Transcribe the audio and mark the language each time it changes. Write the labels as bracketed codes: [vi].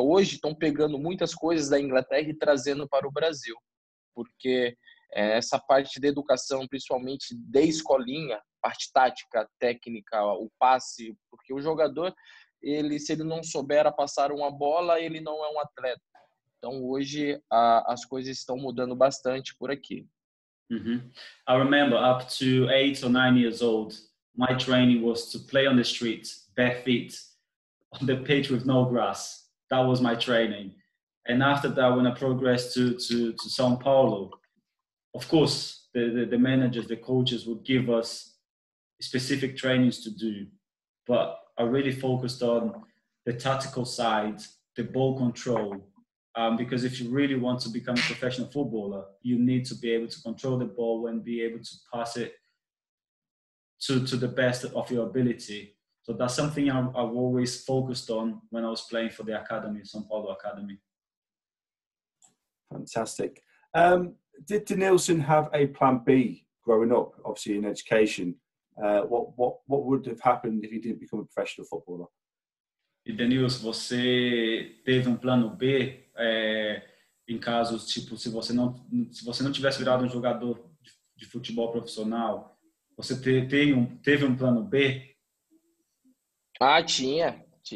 [pt] Hoje estão pegando muitas coisas da Inglaterra e trazendo para o Brasil, porque essa parte de educação, principalmente de escolinha, parte tática, técnica, o passe, porque o jogador, ele, se ele não souber passar uma bola, ele não é um atleta. Então, hoje, as coisas estão mudando bastante por aqui. [en] Uh-huh. I remember up to 8 or 9 years old, my training was to play on the street, bare feet, on the pitch with no grass. That was my training. And after that, when I progressed to São Paulo, of course, the managers, the coaches would give us specific trainings to do, but I really focused on the tactical side, the ball control, because if you really want to become a professional footballer, you need to be able to control the ball and be able to pass it to the best of your ability. So that's something I've always focused on when I was playing for the academy, São Paulo Academy. Fantastic. Did Denilson have a plan B growing up, obviously in education? What would have happened if he didn't become a professional footballer? [pt] E Denilson, você teve plano B em casos tipo se você não tivesse virado jogador de futebol profissional, você teve plano B? Ah, tinha.